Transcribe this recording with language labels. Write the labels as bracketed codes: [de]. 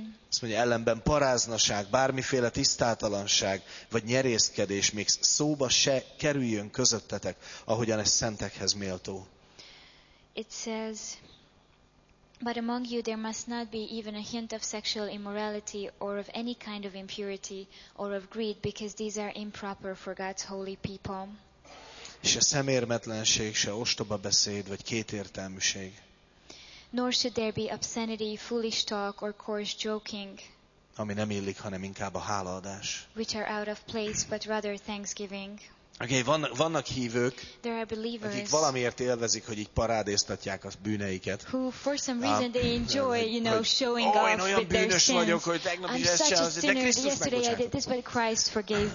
[hu] Azt mondja, ellenben paráznaság, bármiféle tisztátalanság, vagy nyerészkedés még szóba se kerüljön közöttetek, ahogyan ez szentekhez méltó. [en] It says, but among you there must not be even a hint of sexual immorality or of any kind of impurity or of greed, because these are improper for God's holy people. [hu] Se szemérmetlenség, se ostoba beszéd, vagy kétértelműség. [en] Nor should there be obscenity, foolish talk, or coarse joking. [hu] Ami nem illik, hanem inkább a hálaadás. [en] Which are out of place, but rather thanksgiving. [hu] Okay, vannak hívők, akik valamiért élvezik, hogy így parádéztatják a bűneiket. [en] Who for some reason they enjoy, you know, showing off with their sins. [hu] Én olyan bűnös vagyok, hogy tegnap is ezt csinálsz, de Krisztus megbocsátott.